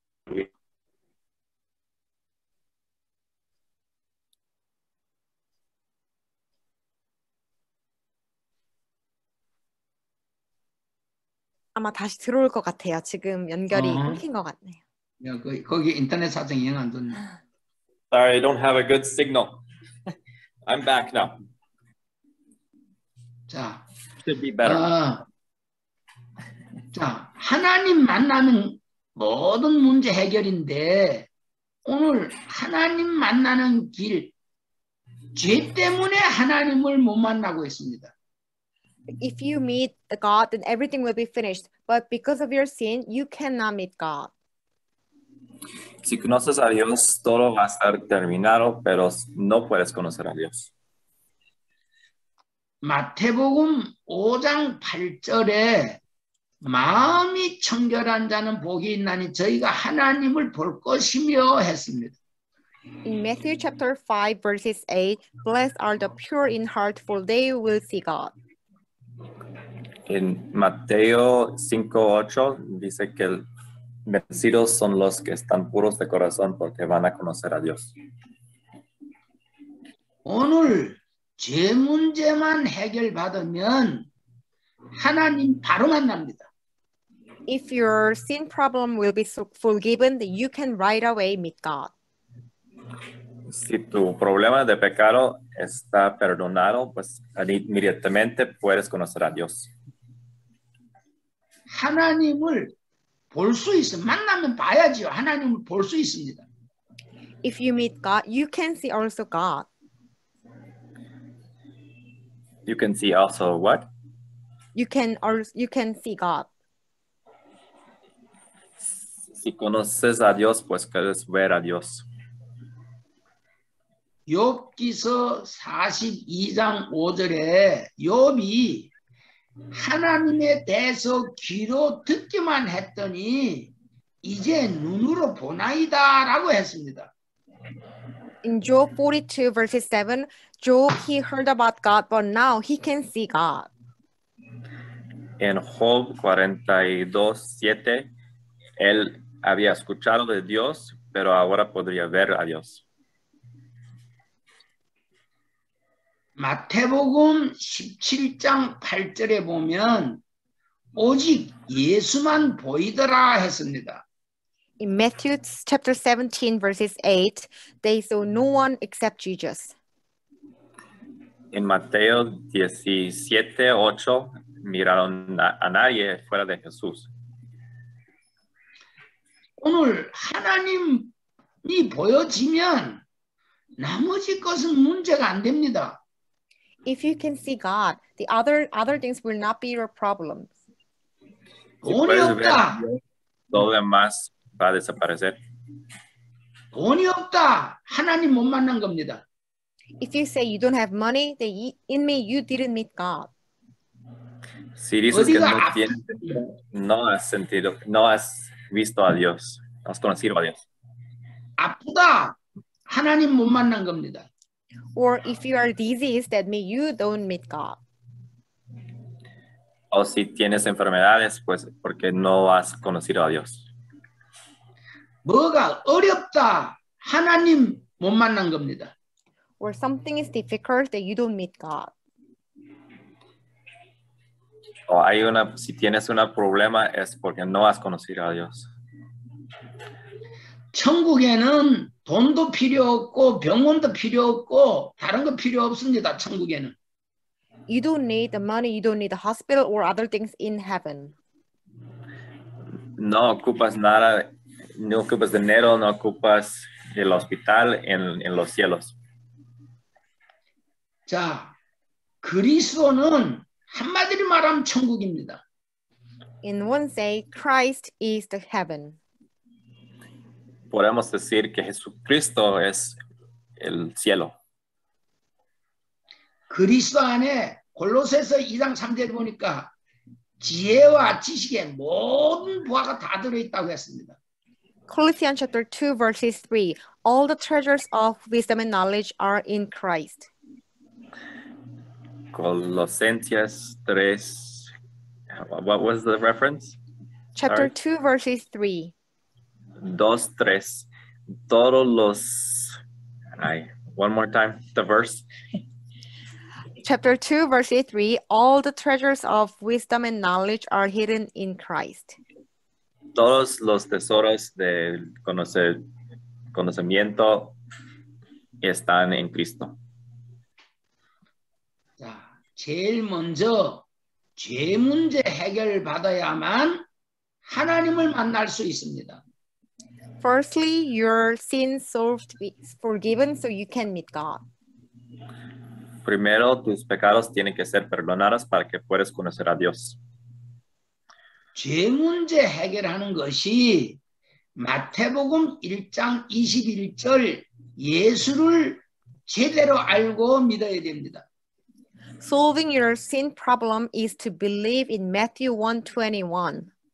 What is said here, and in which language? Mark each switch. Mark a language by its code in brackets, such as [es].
[ko] Yeah. 아마 다시 들어올 것 같아요. 지금 연결이 끊긴 것 같네요. 야, 거기 인터넷 사정 영 안 듣네. [en] Sorry, I don't have a good signal. I'm back now. [ko] 자, [en] should be better. [ko] 자, 하나님 만나는 모든 문제 해결인데 오늘 하나님 만나는 길, 죄 때문에 하나님을 못 만나고 있습니다. [en] If you meet God, then everything will be finished. But because of your sin, you cannot meet God. [es] Si conoces a Dios, todo va a estar terminado, pero no puedes conocer a Dios. [ko] 마태복음 5장 8절에 마음이 청결한 자는 복이 있나니 저희가 하나님을 볼 것이며 했습니다. [en] In Matthew chapter 5 verses 8, blessed are the pure in heart for they will see God. [es] En Mateo 5:8 dice que bendecidos son los que están puros de corazón porque van a conocer a Dios. [ko] 오늘 죄 문제만 해결받으면 하나님 바로 만납니다. [en] If your sin problem will be forgiven, you can right away meet God. [es] Si tu problema de pecado está perdonado, pues inmediatamente puedes conocer a Dios. [ko] 하나님을 볼 수 있어. 만나면 봐야죠. 하나님을 볼 수 있습니다. [en] If you meet God, you can see also God. You can see also what? You can see God. [es] Si conoces a Dios, pues puedes ver a Dios. [ko] 욥기서 42장 5절에 욥이 하나님에 대해서 귀로 듣기만 했더니 이제 눈으로 보나이다라고 했습니다. [en] In Job 42 verse 7, Job he heard about God, but now he can see God. [es] En Job 42:7, él había escuchado de Dios, pero ahora podría ver a Dios. [ko] 마태복음 17장 8절에 보면 오직 예수만 보이더라 했습니다. [en] In Matthew chapter 17 verses 8, they saw no one except Jesus. [es] In Mateo 17:8, miraron a nadie fuera de Jesús. [ko] 오늘 하나님이 보여지면 나머지 것은 문제가 안 됩니다. [en] If you can see God, the other things will not be your problems. [ko] 돈이 없다. [es] Todo más va a desaparecer. [ko] 돈이 없다. 하나님 못 만난 겁니다. [en] If you say you don't have money, then in me you didn't meet God. [es] Si dices que no tienes, no has sentido, no has visto a Dios, no has conocido a Dios. [ko] 아프다. 하나님 못 만난 겁니다. [en] Or if you are diseased, that means you don't meet God. [es] O si tienes enfermedades, pues porque no has conocido a Dios. [ko] 뭐가 어렵다. 하나님 못 만난 겁니다. [en] Or something is difficult that you don't meet God. [es] O hay una, si tienes un problema es porque no has conocido a Dios. [ko] 천국에는 돈도 필요 없고 병원도 필요 없고 다른 거 필요 없습니다. 천국에는. [en] You don't need the money, you don't need the hospital or other things in heaven. [es] No ocupas nada, no ocupas dinero, no ocupas el hospital en los cielos. [ko] 자, 그리스도는 한마디로 말하면 천국입니다. [en] In one say, Christ is the heaven. [es] Podemos decir que Jesucristo es el cielo. [ko] 그리스도 안에 골로새서 2장 3절에 보니까 지혜와 지식의 모든 보화가 다 들어있다고 했습니다. [en] Colossians chapter 2 verse 3. All the treasures of wisdom and knowledge are in Christ. Colossians 3. What was the reference? Chapter 2 verse 3. [es] 2, 3. Todos los... [en] Ay, one more time, the verse. Chapter 2, verse 3, all the treasures of wisdom and knowledge are hidden in Christ. [es] Todos los tesoros del conocimiento están en Cristo. [ko] 자, 제일 먼저 죄 문제 해결을 받아야만 하나님을 만날 수 있습니다. [en] Firstly, your sin solved is forgiven so you can meet God. [es] Primero, tus pecados tienen que ser perdonados para que puedas conocer a Dios. [ko] 죄 문제 해결하는 것이 마태복음 1장 21절 예수를 제대로 알고 믿어야 됩니다. [en] Solving your sin problem is to believe in Matthew 1:21.